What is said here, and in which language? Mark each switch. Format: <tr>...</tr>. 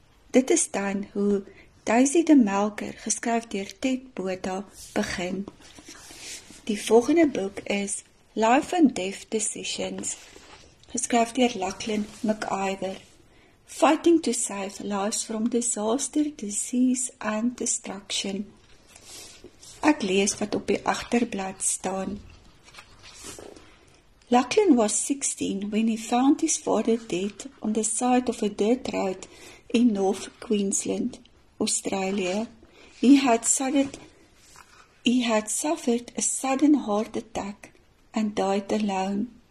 <af>Dit is dan hoe Thuisie de Melker, geskryf deur Ted Botha, begin. Die volgende boek is Life and Death Decisions, geskryf deur Lachlan McIver.</af> <en>Fighting to Save Lives from Disaster, Disease and Destruction.</en> <af>Ek lees wat op die agterblad staan.</af> <en>Lachlan was 16 when he found his father dead on the side of a dirt road in North Queensland, Australia. He had suffered a sudden heart attack and died alone.</en>